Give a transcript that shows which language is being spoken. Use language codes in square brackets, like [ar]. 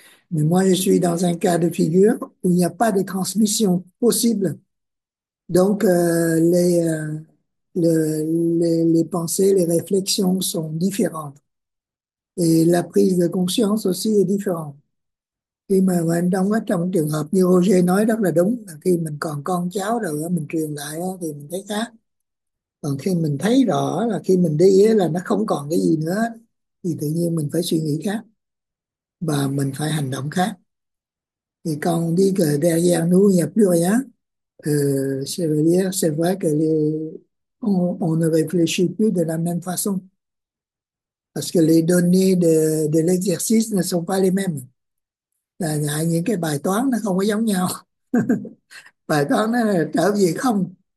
[fr] Mais moi, je suis dans un cas de figure où il n'y a pas de transmission possible. Donc, les pensées, les réflexions sont différentes. Et la prise de conscience aussi est différente. [vi] Khi mà mình trong cái trong trường hợp như Roger nói rất là đúng, khi mình còn con cháu rồi mình truyền lại thì mình thấy khác. Còn khi mình thấy rõ là khi mình đi là nó không còn cái gì nữa thì tự nhiên mình phải suy nghĩ khác và mình phải hành động khác. Thì con đi cờ đeo gian nuôi nhập rồi á, [fr] c'est vrai que on ne réfléchit plus de la même façon. Parce que les données de l'exercice ne sont pas les mêmes. [vi] Là những cái bài toán nó không có giống nhau. Bài toán nó là trở về không.